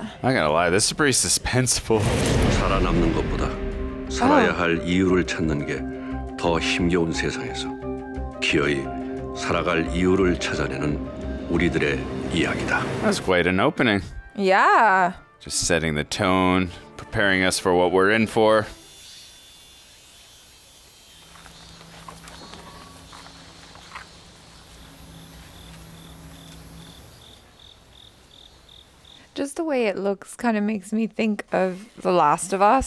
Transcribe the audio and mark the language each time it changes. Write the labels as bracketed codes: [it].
[en] I'm not gonna lie, this is pretty suspenseful. [ko] 살아남는 것보다 살아야 할 이유를 찾는 게 더 힘겨운 세상에서 기어이 살아갈 이유를 찾아내는 우리들의 이야기다. [en] That's quite an opening. Yeah. Just setting the tone, preparing us for what we're in for. Just the way it looks kind of makes me think of The Last of Us.